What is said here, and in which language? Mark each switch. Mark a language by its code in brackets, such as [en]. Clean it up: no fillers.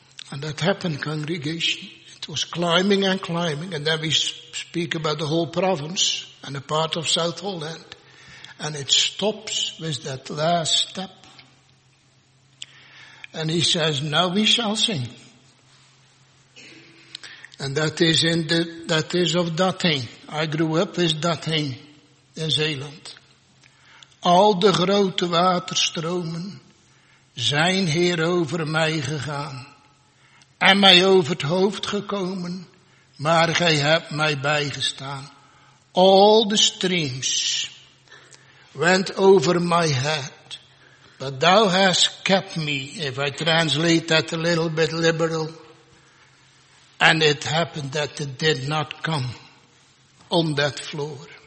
[en] And that happened, congregation. It was climbing and climbing, and then we speak about the whole province and a part of South Holland, and it stops with that last step. And he says, now we shall sing. And that is in the, that is of Dating. I grew up with Dating in Zeeland. [nl] Al de grote waterstromen zijn hier over mij gegaan en mij over het hoofd gekomen, maar gij hebt mij bijgestaan. [en] All the streams went over my head, but thou hast kept me, if I translate that a little bit liberal. And it happened that it did not come on that floor.